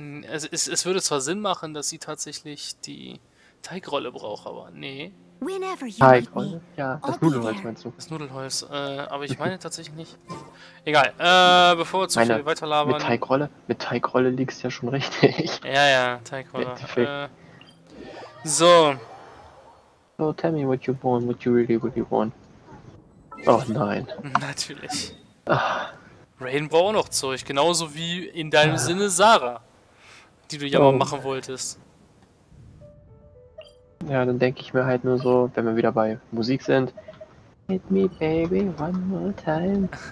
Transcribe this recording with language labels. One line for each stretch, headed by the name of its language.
German: Also es würde zwar Sinn machen, dass sie tatsächlich die Teigrolle braucht, aber nee. Das Nudelholz meinst du? Das Nudelholz, aber ich meine tatsächlich nicht. Egal, bevor wir zu viel weiterlabern. Mit Teigrolle liegst du ja schon richtig. Ja, Teigrolle. So,
English: tell me what you really want.
German: Oh nein. Natürlich. Rain braucht auch noch Zeug, genauso wie in deinem Sinne Sarah, die du ja mal machen wolltest. Ja, dann denke ich mir halt nur so, wenn wir wieder bei Musik sind.
English: Hit me, baby, one more time.